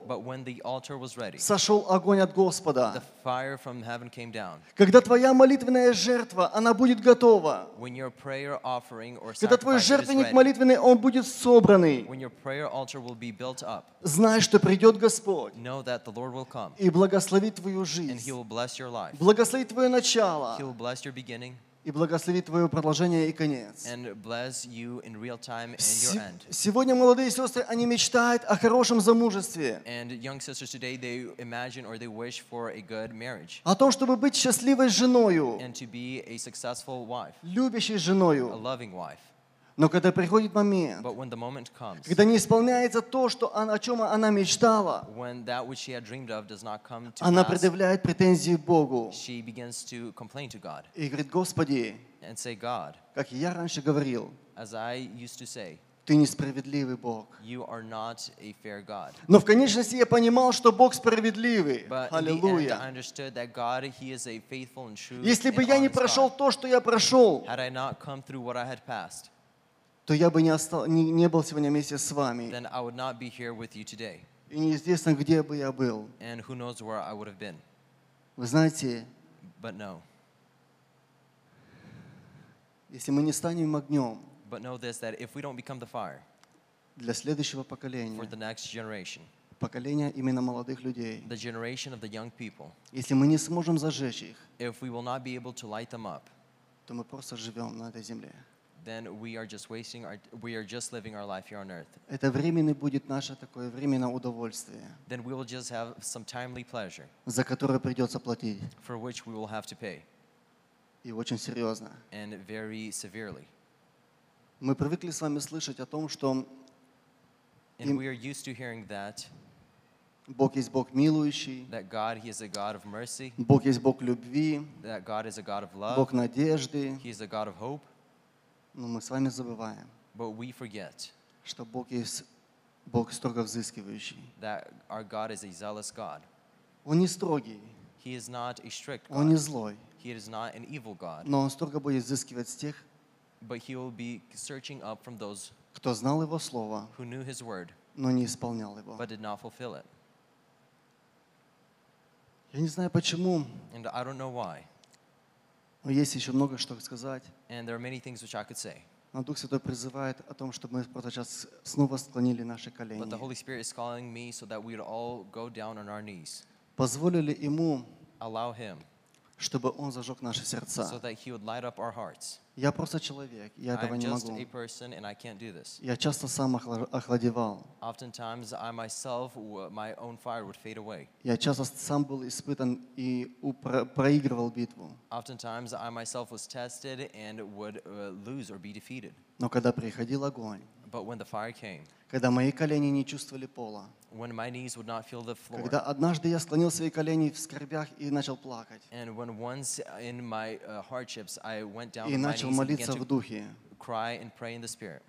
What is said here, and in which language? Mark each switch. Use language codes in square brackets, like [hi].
[en] but when the altar was ready, [ru] сошел огонь от Господа. [en] The fire from heaven came down. [ru] Когда твоя молитвенная жертва, она будет готова. [en] When your prayer offering or [ru] когда твой жертвенник молитвенный, он будет собранный. [en] When your prayer altar will be built up. [ru] Знай, что придет Господь. [en] Know that the Lord will come. [ru] И благослови твою жизнь. [en] And He will bless your life. [ru] Благослови твое начало. [en] He will bless your beginning. [ru] И благослови твое продолжение и конец. [en] And bless you in real time and your end. [ru] Сегодня молодые сестры, они мечтают о хорошем замужестве. [en] And young sisters today, they imagine or they wish for a good marriage. [ru] О том, чтобы быть счастливой женою. [en] And to be a successful wife. [ru] Любящей женою. [en] A loving wife. [ru] Но когда приходит момент, [en] but when the moment comes, [ru] когда не исполняется то, что она, о чем она мечтала, [en] when that which she had dreamed of does not come to [ru] она предъявляет претензии Богу. [en] She begins to complain to God. [ru] И говорит, Господи, [en] and say, God, [ru] как я раньше говорил, [en] as I used to say, [ru] ты несправедливый Бог. [en] You are not a fair God. [ru] Но в конечности я понимал, что Бог справедливый. Аллилуйя. [en] But in the end, I understood that God, He is a faithful and true. [ru] Если бы я не прошел [en] God, [ru] то, что я прошел, [en] had I not come through what I had passed, [ru] то я бы не, остал, не, не был сегодня вместе с вами. [en] Then I would not be here with you today. [ru] И неизвестно, где бы я был. [en] And who knows where I would have been. [ru] Вы знаете, [en] but no. [ru] Если мы не станем огнем, [en] but know this, that if we don't become the fire, [ru] для следующего поколения, [en] for the next generation, [ru] поколения именно молодых людей, [en] the generation of the young people, [ru] если мы не сможем зажечь их, [en] if we will not be able to light them up, [ru] то мы просто живем на этой земле. [en] Then we are just wasting our, we are just living our life here on earth. [ru] Это временное будет наше такое временное удовольствие. [en] Then we will just have some timely pleasure. [ru] За которое придется платить. [en] For which we will have to pay. [ru] И очень серьезно. [en] And very severely. [ru] Мы привыкли с вами слышать о том, что. [en] And we are used to hearing that. [ru] Бог есть Бог милующий. [en] That God, He is a God of mercy. [ru] Бог есть Бог любви. [en] That God is a God of love. [ru] Бог надежды. [en] He is a God of hope. [ru] Но мы с вами забываем, [en] but we forget, [ru] что Бог есть Бог строго взыскивающий. [en] That our God is a zealous God. [ru] Он не строгий. [en] He is not a strict God. [ru] Он не злой. [en] He is not an evil God. [ru] Но Он строго будет взыскивать с тех, [en] but He will be searching up from those, [ru] кто знал Его Слово, [en] who knew His word, [ru] но не исполнял Его. [en] But did not fulfill it. [ru] Я не знаю почему. [en] And I don't know why. [ru] Но есть еще много что сказать. [en] And there are many things which I could say. [ru] Но Дух Святой призывает о том, чтобы мы просто сейчас снова склонили наши колени. [en] But the Holy Spirit is calling me so that we would all go down on our knees. [ru] Позволили Ему, [en] allow Him, [ru] чтобы он зажег наши сердца. [en] So that he would light up our hearts. [ru] Я просто человек, я этого не могу. [en] I'm just a person and I can't do this. [ru] Я часто сам охладевал. [en] Oftentimes I myself, my own fire would fade away. [ru] Я часто сам был испытан и проигрывал битву. [en] Oftentimes I myself was tested and would lose or be defeated. [ru] Но когда приходил огонь, [en] but when the fire came, [ru] когда мои колени не чувствовали пола, [en] when my knees would not feel the floor, [ru] когда однажды я склонил свои колени в скорбях и начал плакать, [en] and when once in my hardships I went down [ru] и начал молиться в духе, [en] cry and pray in the spirit,